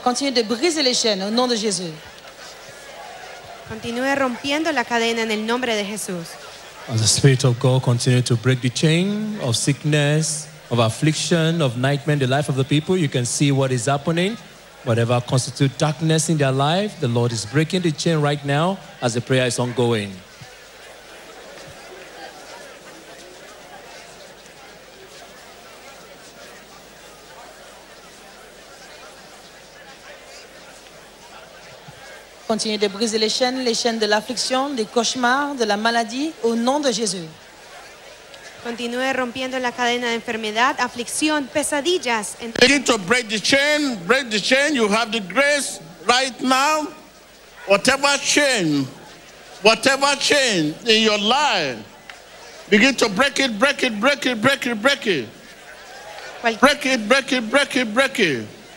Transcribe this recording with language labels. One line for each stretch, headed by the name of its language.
French: Continue de briser les chaînes au nom de Jésus.
Spanish: Continue rompiendo la cadena en el nombre de Jesús.
English: As the Spirit of God continue to break the chain of sickness, of affliction, of nightmare in the life of the people, you can see what is happening. Whatever constitutes darkness in their life, the Lord is breaking the chain right now as the prayer is ongoing.
French: Continue de briser les chaînes de l'affliction, des cauchemars, de la maladie, au nom de Jésus.
Spanish: Continue rompiendo la cadena de enfermedad, aflicción, pesadillas.
English: Begin to break the chain, you have the grace right now. Whatever chain in your life, begin to break it, break it, break it, break it, break it. Break it, break it, break it, break it.